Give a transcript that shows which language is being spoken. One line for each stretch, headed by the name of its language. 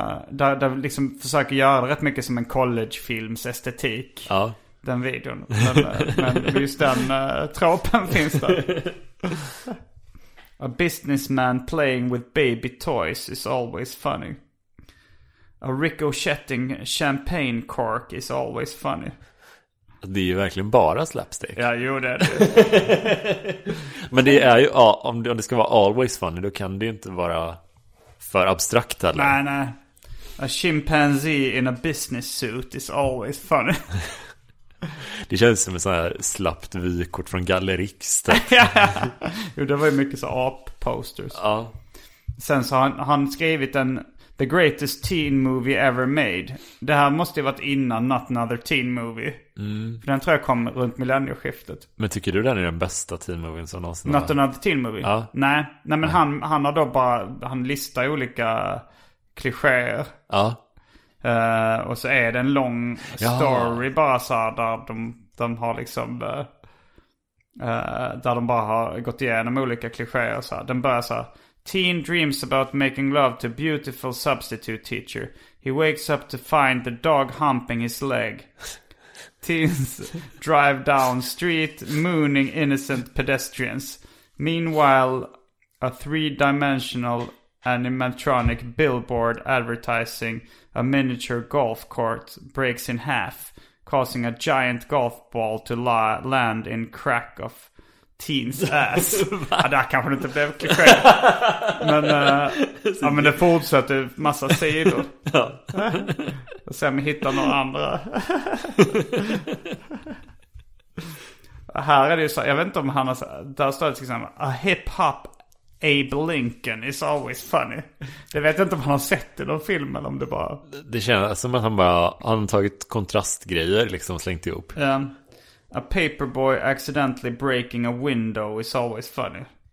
Swedish: Där vi liksom försöker göra rätt mycket som en collegefilms estetik. Ja. Den videon. Men just den tropen finns där.
English: A businessman playing with baby toys is always funny. A ricocheting champagne cork is always funny.
Swedish: Det är ju verkligen bara slapstick. Ja, jo, det är det. Men det är ju, om det ska vara
English: always funny,
Swedish: då kan det ju inte vara för abstrakt eller? Nej, nej.
English: A chimpanzee in a business suit is always funny.
Swedish: Det känns som en sån här slappt vykort från Gallerix. Jo, det var ju mycket så ap-posters. Ja. Sen så har han skrivit en The Greatest Teen Movie Ever Made. Det här måste ju varit innan Not Another Teen Movie. Mm. För den tror jag kom runt millennieskiftet. Men tycker du den är den bästa teen movien som någonsin Not har? Another Teen Movie? Ja. Nej, men han har då bara, han listar olika klischéer. Ja. Och så är det en lång story bara så här, där de har liksom där de bara har gått igenom olika klischéer så här. Den börjar så här,
English: Teen dreams about making love to beautiful substitute teacher. He wakes up to find the dog humping his leg. Teens drive down street, mooning innocent pedestrians. Meanwhile, a three-dimensional animatronic billboard advertising a miniature golf court breaks in half, causing a giant golf ball to land in crack of teens ass.
Swedish: Ja, det här kanske inte blev klickat. Men, ja, men det fortsätter en massa sidor. Och sen hittar några andra. Här är det ju så, jag vet inte om han har, där står det till exempel,
English: a hip-hop Abe Lincoln is always funny.
Swedish: Jag vet inte om han har sett det i någon film eller om det bara... Det känns som att han bara har tagit kontrastgrejer liksom och slängt ihop.
English: A paperboy accidentally breaking a window is always funny.